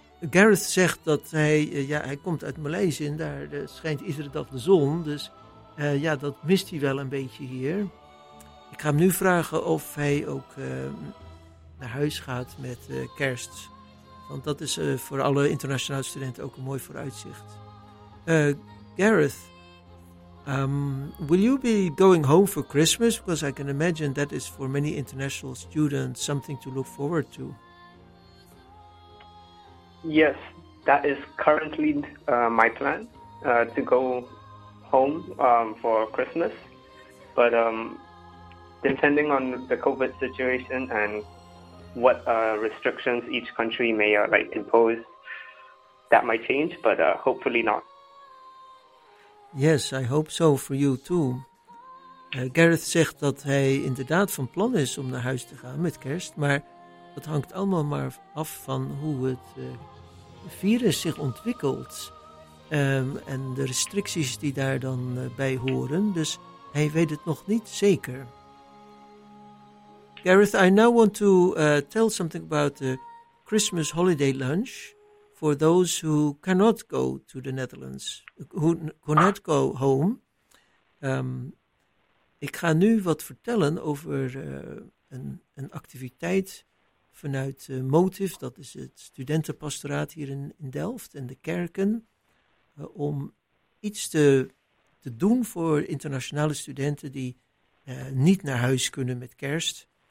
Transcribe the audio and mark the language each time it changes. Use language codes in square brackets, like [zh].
[nl] Gareth zegt dat hij komt uit Maleisië en daar schijnt iedere dag de zon. Dus dat mist hij wel een beetje hier. Ik ga hem nu vragen of hij ook naar huis gaat met kerst. Want dat is voor alle internationale studenten ook een mooi vooruitzicht. [en] Gareth, will you be going home for Christmas? Because I can imagine that is for many international students something to look forward to. Yes, that is currently my plan, to go home for Christmas. But depending on the COVID situation and what restrictions each country may impose, that might change, but hopefully not. Yes, I hope so for you too. [nl] Gareth zegt dat hij inderdaad van plan is om naar huis te gaan met kerst, maar dat hangt allemaal maar af van hoe het virus zich ontwikkelt en de restricties die daar dan bij horen. Dus hij weet het nog niet zeker. [en] Gareth, I now want to tell something about the Christmas holiday lunch for those who cannot go to the Netherlands, who cannot go home. [nl] Ik ga nu wat vertellen over een activiteit vanuit Motive, dat is het studentenpastoraat hier in Delft en de kerken, om iets te doen voor internationale studenten die niet naar huis kunnen met kerst.